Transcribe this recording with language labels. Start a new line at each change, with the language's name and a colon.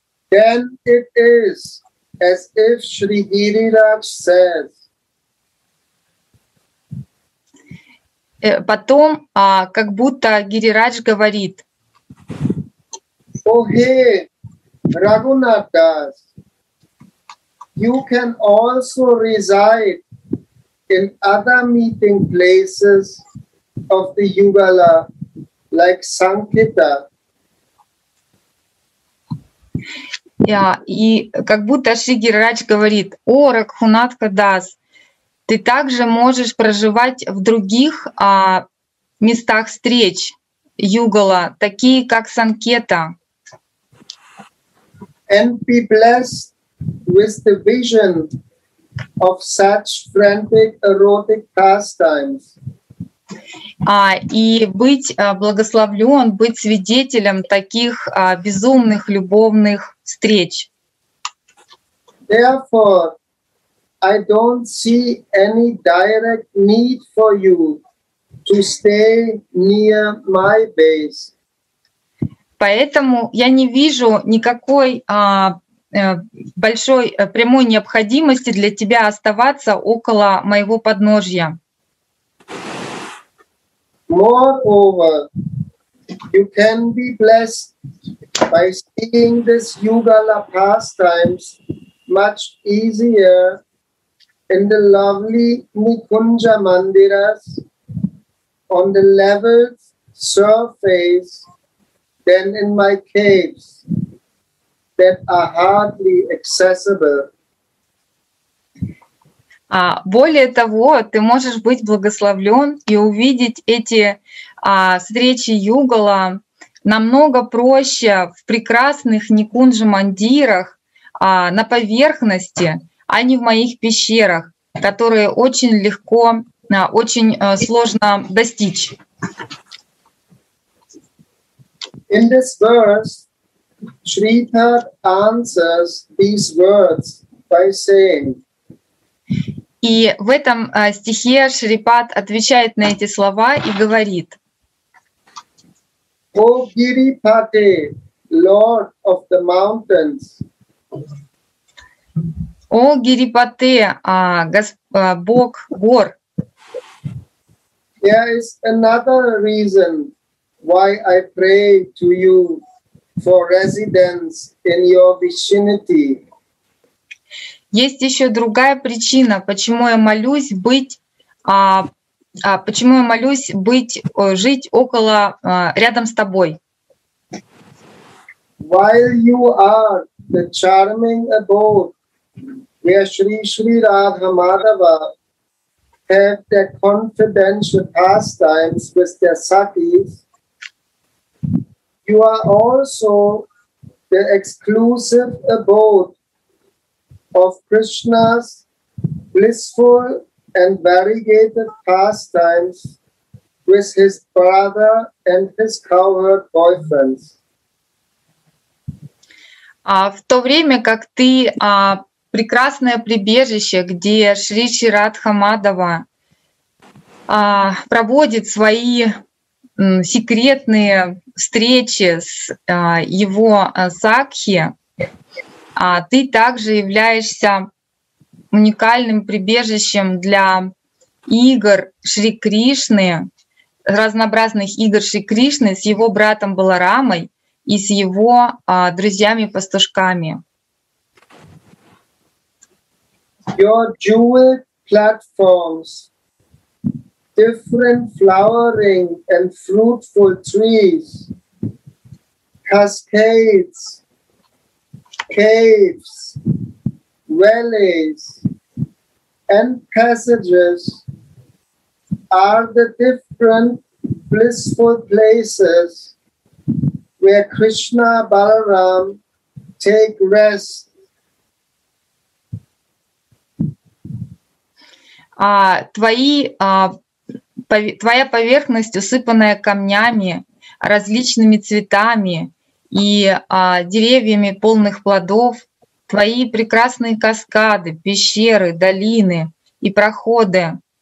English: Then it is as if Shri Giriraj says.
Russian: Потом, как будто Гирирадж говорит:
English: Ohe, Raghunath Das, you can also reside in other meeting places of the Yugala, like Sankita.
Russian: И как будто Шри Гирирадж говорит: О, Рагхунатха Дас, ты также можешь проживать в других местах встреч Югала, такие как Санкета.
English: And be blessed with the vision of such frantic erotic pastimes.
Russian: И быть благословлен, быть свидетелем таких безумных любовных встреч.
English: Therefore, I don't see any direct need for you to stay near my base.
Russian: Поэтому я не вижу никакой большой прямой необходимости для тебя оставаться около моего подножья.
English: Moreover, you can be blessed by seeing this Yugala pastimes much easier in the lovely Nikunja Mandiras on the leveled surface than in my caves that are hardly accessible.
Russian: Более того, ты можешь быть благословлен и увидеть эти встречи Югала намного проще в прекрасных Никунджа Мандирах на поверхности, а не в моих пещерах, которые очень легко, очень сложно достичь.
English: In this verse, Shripad answers these words by saying.
Russian: И в этом стихе Шрипад отвечает на эти слова и говорит:
English: О Гирипате, Lord of the mountains.
Russian: О Гирипате, Бог гор.
English: There is another reason why I pray to you for residence in your vicinity.
Russian: Есть еще другая причина, почему я молюсь быть, почему я молюсь быть, жить около, рядом с тобой.
English: While you are the charming abode where Shri Shri Radha Madhava have their confidential pastimes with their sakis, you are also the exclusive abode of Krishna's blissful and variegated pastimes with his brother and his cowherd boyfriends.
Russian: В то время как ты прекрасное прибежище, где Шри Шри Радха Мадхава проводит свои секретные встречи с его сакхи, ты также являешься уникальным прибежищем для игр Шри Кришны, разнообразных игр Шри Кришны с его братом Баларамой и с его друзьями-пастушками.
English: your jewel platforms, different flowering and fruitful trees, cascades, caves, valleys, and passages are the different blissful places where Krishna Balaram take rest.
Russian: Твоя поверхность, усыпанная камнями, различными цветами и деревьями полных плодов, твои прекрасные каскады, пещеры, долины и проходы